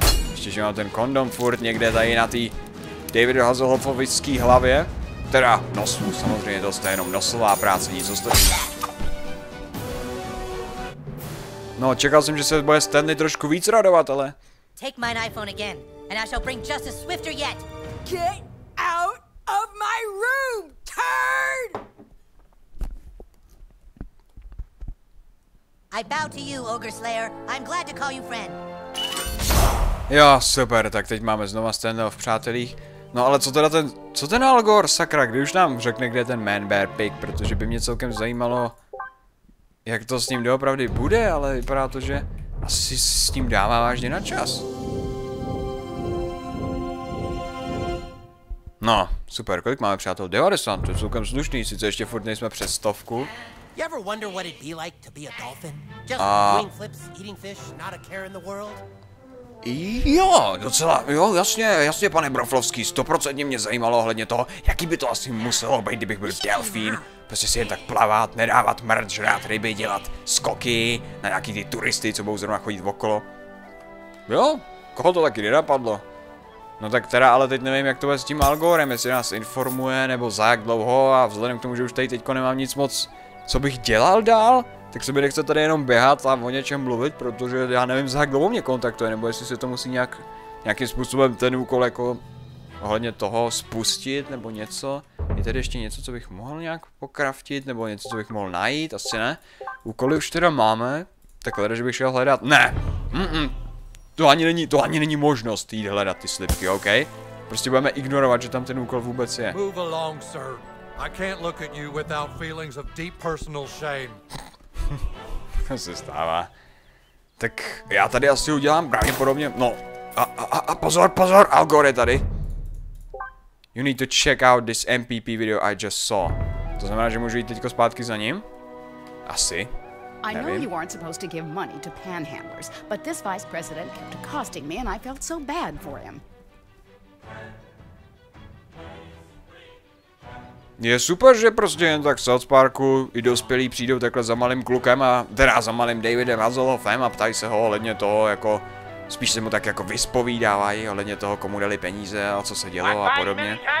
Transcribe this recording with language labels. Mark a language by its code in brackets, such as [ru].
[cs] Ještě, že mám ten kondom furt někde tady na tý... David Hasselhoffovický hlavě, teda nosů, samozřejmě to je jenom nosová práce, nic ostatní. No, čekal jsem, že se bude Stanley trošku víc radovat, ale... [en] Take my iPhone again, and I shall bring justice swifter yet! Get out of my room, turd! I bow to you, Ogre Slayer, I'm glad to call you friend. [cs] Jo, super, tak teď máme znova Stanleyho v přátelích. No ale co teda ten, co ten Al Gore, sakra, kdy už nám řekne, kde je ten Man Bear Pig, protože by mě celkem zajímalo, jak to s ním doopravdy bude, ale vypadá to, že asi s ním dává vážně na čas. No, super, kolik máme přátel? 90, to je celkem slušný, sice ještě furt nejsme přes stovku. [en] You ever wonder what it'd be like to be a dolphin? Just wing flips, eating fish, not a care in the world? [cs] Jo, docela, jo, jasně, pane Broflovský, 100% mě zajímalo ohledně toho, jaký by to asi muselo být, kdybych byl delfín, prostě si jen tak plavat, nedávat mrt, žrát ryby, dělat skoky na nějaký ty turisty, co budou zrovna chodit okolo. Jo, koho to taky nenapadlo? No tak teda, ale teď nevím, jak to bude s tím Al Gorem, jestli nás informuje, nebo za jak dlouho, a vzhledem k tomu, že už tady teďko nemám nic moc, co bych dělal dál, tak se mi nechce tady jenom běhat a o něčem mluvit, protože já nevím, za jak dlouho mě kontaktuje, nebo jestli se to musí nějakým způsobem ten úkol jako ohledně toho spustit, nebo něco. Je tady ještě něco, co bych mohl nějak pokraftit, nebo něco, co bych mohl najít, asi ne. Úkoly už teda máme, tak hledat, že bych šel hledat. Ne! To ani není možnost jít hledat ty slipky, OK? Prostě budeme ignorovat, že tam ten úkol vůbec je. [en] Move along, sir. I can't look at you without feelings of deep personal shame. [cs] To se stává. Tak já tady asi udělám pravděpodobně, no. A pozor, Al Gore je tady. [en] You need to check out this MPP video I just saw. [cs] To znamená, že můžu jít teďko zpátky za ním? Asi. [en] I know you aren't supposed to give money to panhandlers, but this vice president kept accosting me and I felt so bad for him. [cs] Je super, že prostě jen tak v South Parku i dospělí přijdou takhle za malým klukem a teda za malým Davidem Hasselhoffem a ptají se ho ohledně toho jako spíš se mu tak jako vyspovídávají ohledně toho, komu dali peníze a co se dělo a podobně.